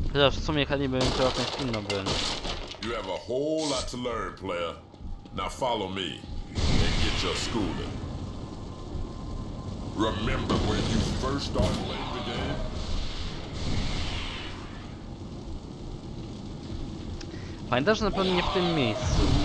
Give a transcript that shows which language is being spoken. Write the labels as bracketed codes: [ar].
[pl] W sumie chętnie bym chciał jakąś inną grę. [en] You have a whole lot to learn, player. Now follow me and get your schooling. Remember when you first started playing the game? [pl] Pamiętasz na pewno nie w tym miejscu.